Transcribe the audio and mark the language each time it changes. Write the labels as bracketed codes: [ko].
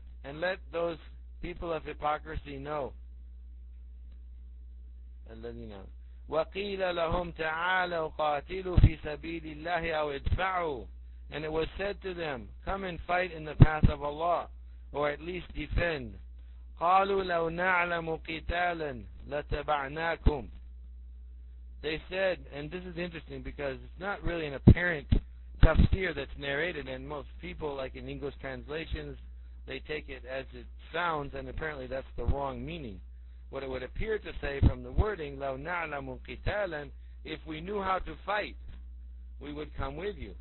[en] And let those people of hypocrisy know. [ar] وَقِيلَ لَهُمْ تَعَالَوْ قَاتِلُوا فِي سَبِيلِ اللَّهِ أَوْ اِدْفَعُوا. [en] And it was said to them, "Come and fight in the path of Allah, or at least defend." [ar] قالوا لو نعلم قتالا لتبعناكم. [en] They said, and this is interesting because it's not really an apparent tafsir that's narrated, and most people, like in English translations, they take it as it sounds, and apparently that's the wrong meaning. What it would appear to say from the wording, [ar] لَوْ نَعْلَمُ قِتَالًا, [en] if we knew how to fight, we would come with you.